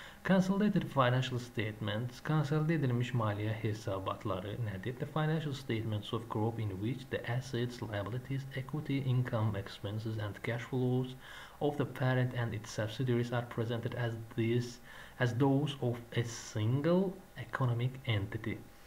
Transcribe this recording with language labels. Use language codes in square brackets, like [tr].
[en] Consolidated financial statements. [az] Konsolidə edilmiş maliyyə hesabatları nədir? [en] The financial statements of group in which the assets, liabilities, equity, income, expenses and cash flows of the parent and its subsidiaries are presented as this as those of a single economic entity.